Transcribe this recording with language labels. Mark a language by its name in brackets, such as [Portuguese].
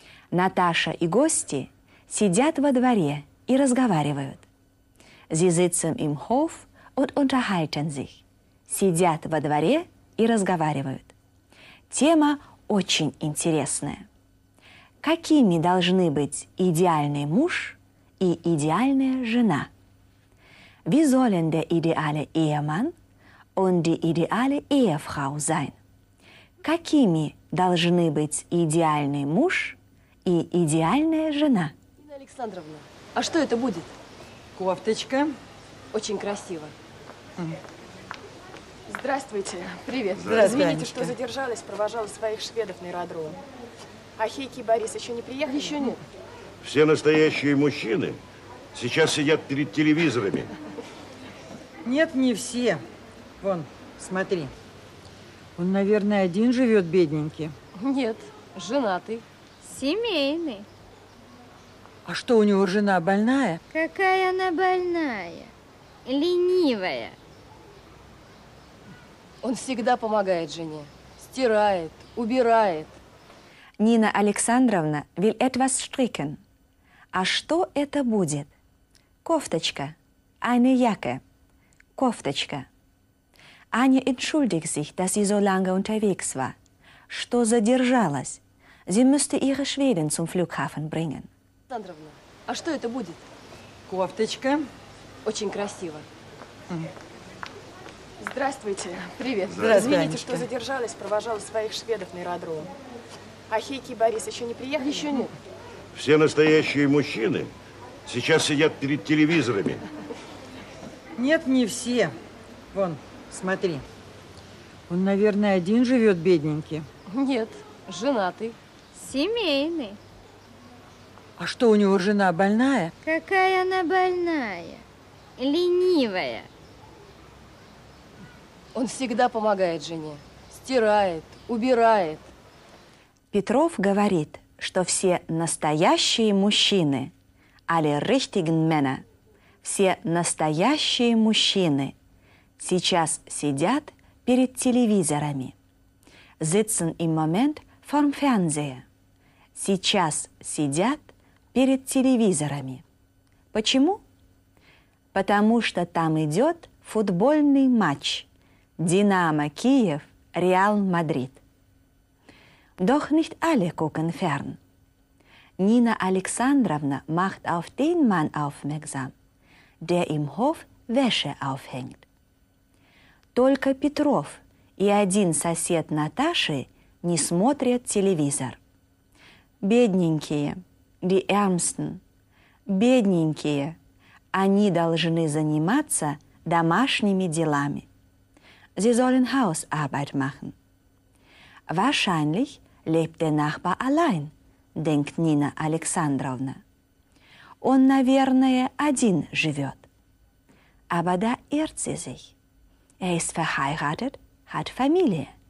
[Russian] Наташа и гости сидят во дворе и разговаривают. [German] Sie sitzen im Hof und unterhalten sich. [Russian] Сидят во дворе и разговаривают. Тема очень интересная. Какими должны быть идеальный муж и идеальная жена? Wie sollen der ideale Ehemann und die ideale Ehefrau sein? Какими должны быть идеальный муж и идеальная жена? Нина Александровна, а что это будет? Кофточка. Очень красиво. Здравствуйте. Привет. Здравствуйте. Извините, что задержалась, провожала своих шведов на аэродром. А Хейки и Борис еще не приехали? Еще нет. Все настоящие мужчины сейчас сидят перед телевизорами. Нет, не все. Вон, смотри. Он, наверное, один живет, бедненький. Нет, женатый. Семейный. А что, у него жена больная? Какая она больная? Ленивая. Он всегда помогает жене. Стирает, убирает. [German] Нина Александровна will etwas stricken. [Russian] А что это будет? Кофточка. [German] Eine Jacke. [Russian] Кофточка. [German] Аня entschuldigt sich, dass sie so lange unterwegs war. [Russian] Что задержалась? [German] Sie müsste ihre Schweden zum Flughafen bringen. [Russian] Александровна, а что это будет? Кофточка. Очень красиво. Здравствуйте. Привет. Здравствуйте. Извините, что задержалась, провожала своих шведов на аэродром. А Хейки и Борис еще не приехали? Еще нет. Все настоящие мужчины сейчас сидят перед телевизорами. Нет, не все. Вон, смотри. Он, наверное, один живет, бедненький. Нет, женатый. Семейный. А что, у него жена больная? Какая она больная? Ленивая. Он всегда помогает жене. Стирает, убирает. Петров говорит, что все настоящие мужчины, [German] alle richtigen Männer, [Russian] все настоящие мужчины сейчас сидят перед телевизорами. [German] Sitzen im Moment vorm Fernseher. [Russian] Сейчас сидят перед телевизорами. Почему? Потому что там идет футбольный матч. Динамо Киев, Реал Мадрид. [German] Doch nicht alle gucken fern. Nina Alexandrovna macht auf den Mann aufmerksam, der im Hof Wäsche aufhängt. [Russian] Только Петров и один сосед Наташи не смотрят телевизор. Бедненькие, [German] die Ärmsten, [Russian] бедненькие, они должны заниматься домашними делами. [German] Sie sollen Hausarbeit machen. Wahrscheinlich lebt der Nachbar allein, denkt Nina Alexandrovna. [Russian] Он, наверное, один живет. [German] Aber da irrt sie sich. Ist verheiratet, hat Familie.